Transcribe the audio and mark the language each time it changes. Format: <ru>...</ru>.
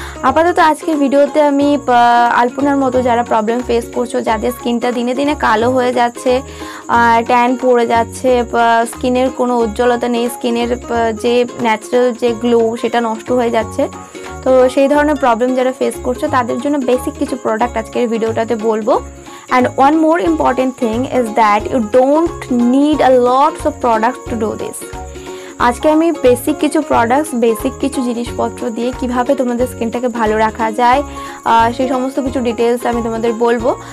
<bn>আপাতত আজকের ভিডিওতে আমি আলপনার মতো যারা প্রবলেম ফেস করছো, যাদের স্কিনটা দিনে দিনে কালো হয়ে যাচ্ছে, ট্যান পড়ে যাচ্ছে, স্কিনের কোনো উজ্জ্বলতা নেই, স্কিনের যে ন্যাচারাল যে গ্লো সেটা নষ্ট হয়ে যাচ্ছে, তো সেই ধরনের প্রবলেম যারা ফেস করছো তাদের জন্য বেসিক কিছু প্রোডাক্ট আজকের ভিডিওটাতে বলবো।</bn> <en>And one more important thing is that you don't need a lot of products to do this.</en> <bn>আজকে আমি বেসিক কিছু প্রোডাক্টস, বেসিক কিছু জিনিসপত্র দিয়ে কীভাবে তোমাদের স্কিনটাকে ভালো রাখা যায় সেই সমস্ত কিছু ডিটেলস আমি তোমাদের বলবো।</bn>